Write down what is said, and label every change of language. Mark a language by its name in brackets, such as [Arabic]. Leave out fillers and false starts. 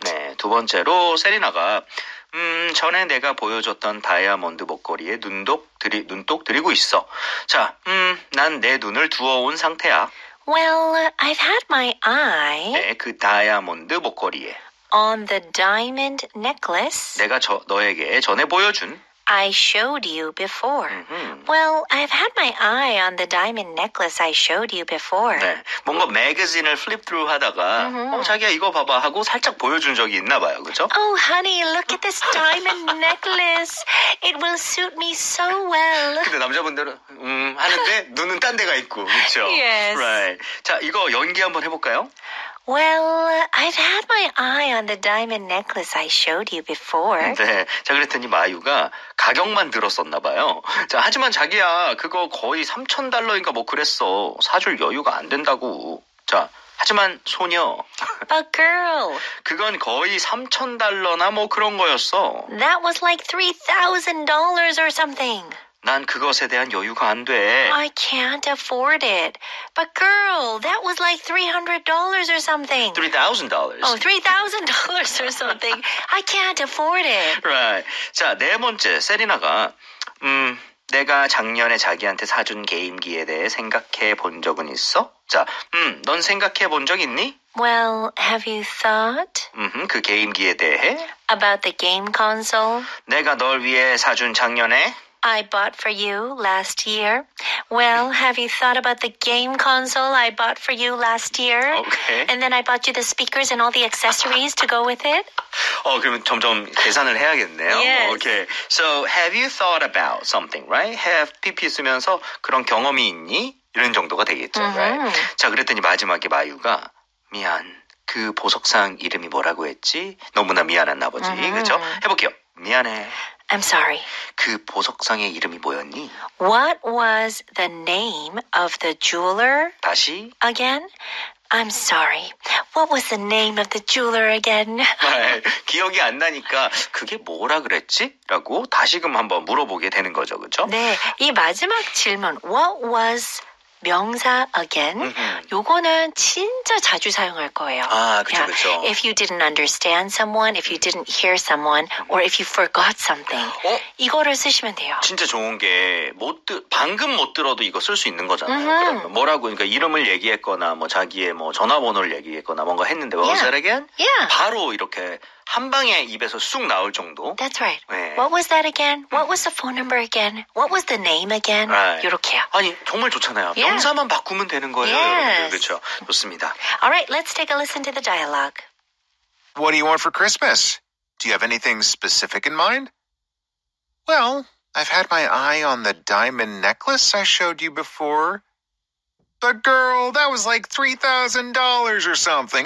[Korean] 네, 두 번째로 세리나가 전에 내가 보여줬던 다이아몬드 목걸이에 눈독 들이고 있어. 자, 난 내 눈을 두어온 상태야. [English] Well, I've had my eye. [Korean] 네, 그 다이아몬드 목걸이에. [English] On the diamond necklace. [Korean] 내가 너에게 전에 보여준. [English] I showed you before. Mm-hmm. Well, I've had my eye on the diamond necklace I showed you before. [Korean] 네, 뭔가 매거진을 flip through 하다가 자기야 이거 봐봐 하고 살짝 보여준 적이 있나 봐요, 그렇죠? [English] Oh, honey, look at this diamond necklace. It will suit me so well. [Korean] 근데 남자분들은 하는데 눈은 딴 데가 있고, 그렇죠? [English] Yes. Right. [Korean] 자, 이거 연기 한번 해볼까요? [English] Well, I've had my eye on the diamond necklace I showed you before. [Korean] 네, 자 그랬더니 마유가 가격만 들었었나 봐요. 자, 하지만 자기야, 그거 거의 $3,000인가 뭐 그랬어. 사줄 여유가 안 된다고. 자, 하지만 소녀. [English] But girl. [Korean] 그건 거의 $3,000나 뭐 그런 거였어. [English] That was like $3,000 or something. [Korean] 난 그것에 대한 여유가 안 돼. [English] I can't afford it. But girl, that was like $300 or something. $3,000. Oh, $3,000 or something. I can't afford it. Right. [Korean] 자, 네 번째, 세리나가 내가 작년에 자기한테 사준 게임기에 대해 생각해 본 적은 있어? 자, 넌 생각해 본 적 있니? [English] Well, have you thought? [Korean] 그 게임기에 대해? [English] About the game console? [Korean] 내가 널 위해 사준 작년에? [English] I bought for you last year. Well, have you thought about the game console I bought for you last year? Okay. And then I bought you the speakers and all the accessories to go with it. [Korean] 그러면 점점 계산을 해야겠네요. [English] Yes. Okay. So, have you thought about something, right? Have PP [Korean] 쓰면서 그런 경험이 있니? 이런 정도가 되겠죠, right? 자, 그랬더니 마지막에 마유가 미안. 그 보석상 이름이 뭐라고 했지? 너무나 미안한 아버지, 그렇죠? 해볼게요. 미안해. [English] I'm sorry. [Korean] 그 보석상의 이름이 뭐였니? [English] What was the name of the jeweler? [Korean] 다시? [English] Again? I'm sorry. What was the name of the jeweler again? [Korean] 네, 기억이 안 나니까 그게 뭐라 그랬지? 라고 다시금 한번 물어보게 되는 거죠, 그렇죠? 네, 이 마지막 질문. What was 명사 again? 요거는 진짜 자주 사용할 거예요. 아, 그렇죠. Yeah. [English] If you didn't understand someone, if you didn't hear someone, or if you forgot something. [Korean] 이거를 쓰시면 돼요. 진짜 좋은 게 방금 못 들어도 이거 쓸 수 있는 거잖아요. 뭐라고 그러니까 이름을 얘기했거나 뭐 자기의 뭐 전화번호를 얘기했거나 뭔가 했는데 [English] what was that again? Yeah. [Korean] 바로 이렇게 한 방에 입에서 쑥 나올 정도. [English] That's right. 네. What was that again? What was the phone number again? What was the name again? 이렇게요. [Korean] Right. 아니, 정말 좋잖아요. [English] Yeah. [Korean] 명사만 바꾸면 되는 거예요. [English] Yes. [Korean] 그렇죠. 좋습니다. [English] All right, let's take a listen to the dialogue. What do you want for Christmas? Do you have anything specific in mind? Well, I've had my eye on the diamond necklace I showed you before. But girl, that was like $3,000 or something.